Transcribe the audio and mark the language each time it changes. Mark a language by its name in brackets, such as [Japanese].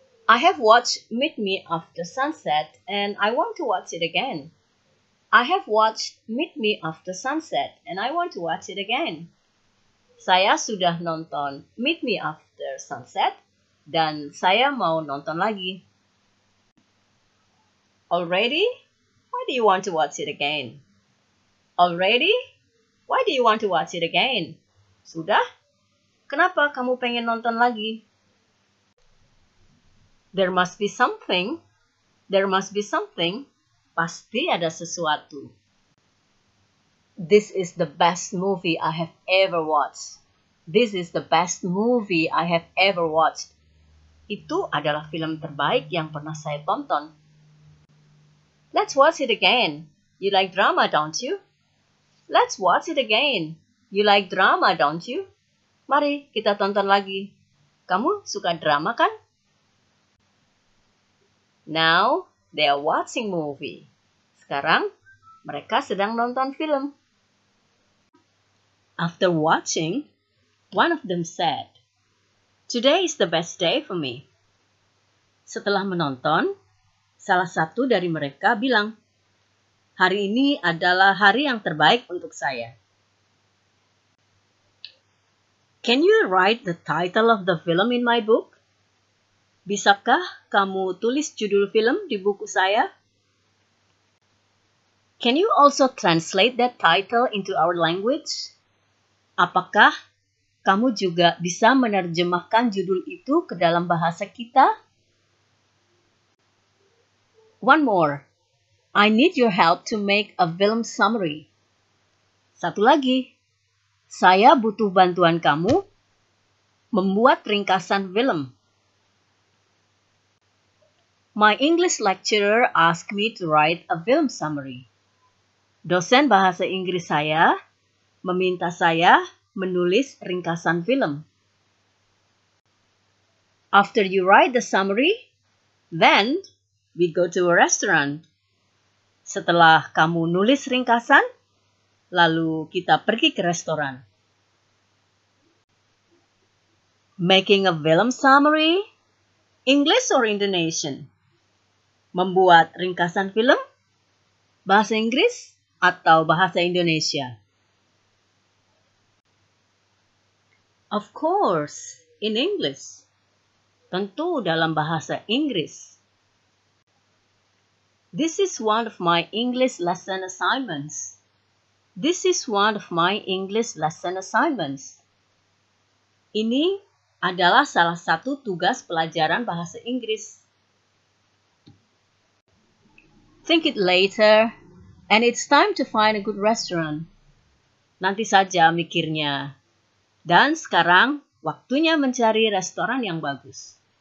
[English] I have watched Meet Me After Sunset and I want to watch it again. I have watched Meet Me After Sunset and I want to watch it again. [Indonesian] Saya sudah nonton Meet Me After Sunset dan saya mau nonton lagi. [English] Already? Why do you want to watch it again? Already? Why do you want to watch it again? [Indonesian] Sudah? Kenapa kamu pengen nonton lagi? [English] There must be something. There must be something. [Indonesian] Pasti ada sesuatu. [English] This is the best movie I have ever watched. This is the best movie I have ever watched. [Indonesian] Itu adalah film terbaik yang pernah saya tonton. [English] Let's watch it again. You like drama, don't you? Let's watch it again. You like drama, don't you? [Indonesian] Mari kita tonton lagi. Kamu suka drama, kan? [English] Now they are watching movie. [Indonesian] Sekarang mereka sedang nonton film. [English] After watching, one of them said, "Today is the best day for me." [Indonesian] Setelah menonton, salah satu dari mereka bilang, "Hari ini adalah hari yang terbaik untuk saya." [English] Can you write the title of the film in my book? [Indonesian] Bisakah kamu tulis judul film di buku saya? [English] Can you also translate that title into our language? [Indonesian] Apakah kamu juga bisa menerjemahkan judul itu ke dalam bahasa kita? [English] One more. I need your help to make a film summary. [Indonesian] Satu lagi. Saya butuh bantuan kamu membuat ringkasan film. [English] My English lecturer asked me to write a film summary. [Indonesian] Dosen bahasa Inggris saya meminta saya menulis ringkasan film. [English] After you write the summary, then we go to a restaurant. [Indonesian] Setelah kamu nulis ringkasan, lalu kita pergi ke restoran. [English] Making a film summary, English or Indonesian? [Indonesian] Membuat ringkasan film, bahasa Inggris atau bahasa Indonesia? [English] Of course, in English. [Indonesian] Tentu dalam bahasa Inggris. [English] This is one of my English lesson assignments. This is one of my English lesson assignments. [Indonesian] Ini adalah salah satu tugas pelajaran bahasa Inggris. [English] Think it later, and it's time to find a good restaurant. [Indonesian] Nanti saja mikirnya. Dan sekarang waktunya mencari restoran yang bagus.